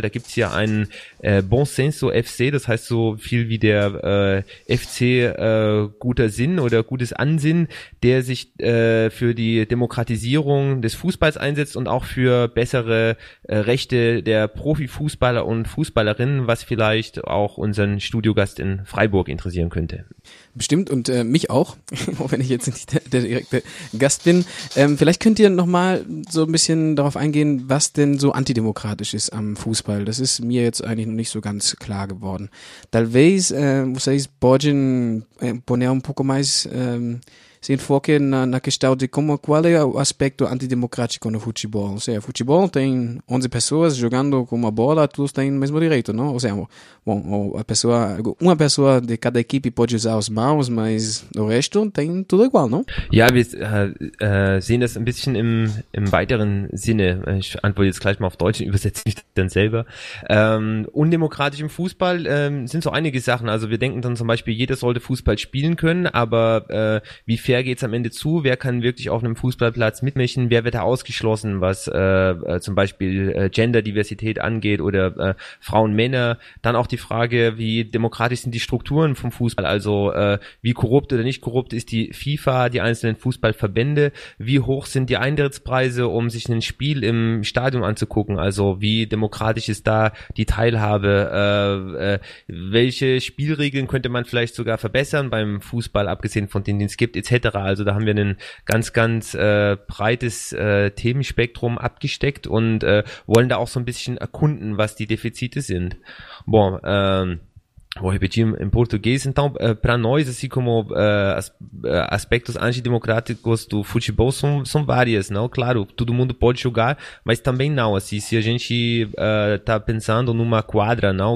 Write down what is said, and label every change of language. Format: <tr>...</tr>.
<de>Da gibt es hier einen Bon Senso FC, das heißt so viel wie der FC guter Sinn oder gutes Ansinnen, der sich für die Demokratisierung des Fußballs einsetzt und auch für bessere Rechte der Profifußballer und Fußballerinnen, was vielleicht auch unseren Studiogast in Freiburg interessieren könnte. Bestimmt, und mich auch, auch wenn ich jetzt nicht der direkte Gast bin. Vielleicht könnt ihr nochmal so ein bisschen darauf eingehen, was denn so antidemokratisch ist am Fußball. Das ist mir jetzt eigentlich noch nicht so ganz klar geworden.</de> <pt>Talvez vocês podem poner um pouco mais se enfoque na questão de como, qual é o aspecto antidemocrático no futebol. Ou seja, futebol tem 11 pessoas jogando com uma bola, todos têm o mesmo direito, não? Ou seja, bom, uma pessoa de cada equipe pode usar as mãos, mas o resto tem tudo igual, não?</pt> <de>Ja, wir sehen das ein bisschen im weiteren Sinne. Ich antworte jetzt gleich mal auf Deutsch und übersetze mich dann selber. Undemokratisch im Fußball sind so einige Sachen. Also wir denken dann zum Beispiel, jeder sollte Fußball spielen können, aber wie fair geht es am Ende zu, wer kann wirklich auf einem Fußballplatz mitmischen, wer wird da ausgeschlossen, was zum Beispiel Genderdiversität angeht oder Frauen, Männer. Dann auch die Frage, wie demokratisch sind die Strukturen vom Fußball, also wie korrupt oder nicht korrupt ist die FIFA, die einzelnen Fußballverbände, wie hoch sind die Eintrittspreise, um sich ein Spiel im Stadion anzugucken, also wie demokratisch ist da die Teilhabe, welche Spielregeln könnte man vielleicht sogar verbessern beim Fußball, abgesehen von denen, die es gibt, etc. Also da haben wir ein ganz, ganz breites Themenspektrum abgesteckt und wollen da auch so ein bisschen erkunden, was die Defizite sind.</de> <pt>Bom, vou repetir em português. Então, para nós, assim como aspectos antidemocráticos do futebol são várias, não? Claro, todo mundo pode jogar, mas também não. Assim, se a gente está pensando numa quadra, não?</pt>